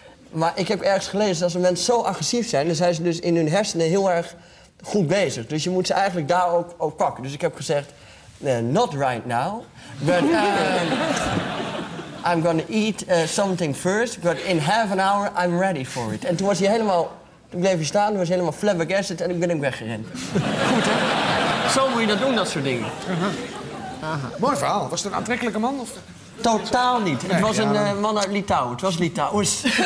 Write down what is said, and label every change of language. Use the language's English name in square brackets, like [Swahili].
[Dutch] Maar ik heb ergens gelezen dat als mensen zo agressief zijn, dan zijn ze dus in hun hersenen heel erg goed bezig. Dus je moet ze eigenlijk daar ook pakken. Dus ik heb gezegd, [English] not right now, but I'm gonna eat something first, but in half an hour I'm ready for it. [Dutch] En toen was hij helemaal, toen bleef hij staan, was hij helemaal flabbergasted en ik ben hem weggerend. Goed, hè? Zo moet je dat doen, dat soort dingen. Aha. Mooi verhaal. Was het een aantrekkelijke man? Of... Totaal niet. Nee, het was een man uit Litouwen. Het was Litouws.